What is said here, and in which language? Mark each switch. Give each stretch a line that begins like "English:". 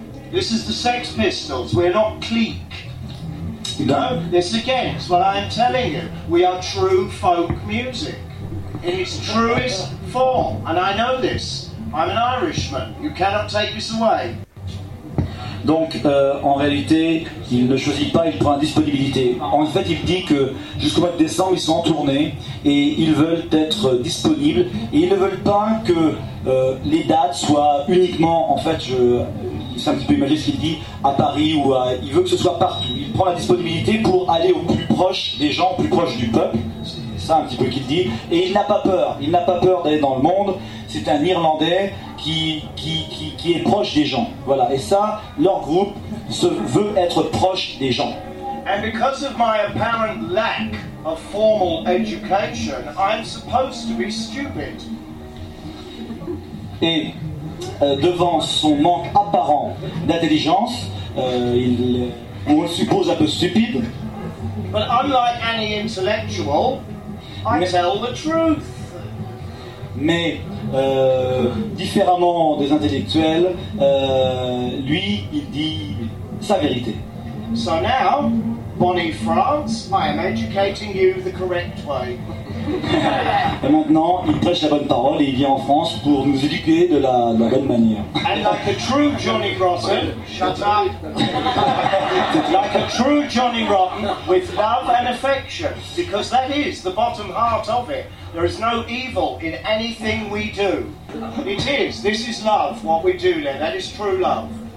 English: This is the Sex Pistols, we're not clique. No, this again is what I'm telling you. We are true folk music in its truest form. And I know this, I'm an Irishman, you cannot take this away.
French: Donc, en réalité, il ne choisit pas, il prend la disponibilité. En fait, il dit que jusqu'au mois de décembre, ils sont en tournée et ils veulent être disponibles. Et ils ne veulent pas que les dates soient uniquement, en fait, c'est un petit peu imagé ce qu'il dit, à Paris ou à... Il veut que ce soit partout. Il prend la disponibilité pour aller au plus proche des gens, au plus proche du peuple. C'est ça un petit peu qu'il dit. Et il n'a pas peur. Il n'a pas peur d'aller dans le monde. C'est un Irlandais qui est proche des gens. Voilà. Et ça, leur groupe veut être proche des gens.
English: And because of my apparent lack of formal education, I'm supposed to be stupid.
French: Et devant son manque apparent d'intelligence, on le suppose un peu stupide.
English: But unlike any intellectual, I tell the truth.
French: Mais différemment des intellectuels, lui, il dit sa vérité.
English: So now, Bonnie France, I am educating you the correct way.
French: Et maintenant, il prêche la bonne parole et il vient en France pour nous éduquer de la bonne manière.
English: And like a true Johnny Rotten, shut up. Like a true Johnny Rotten, with love and affection, because that is the bottom heart of it. There is no evil in anything we do. It is. This is love. What we do there, that is true love.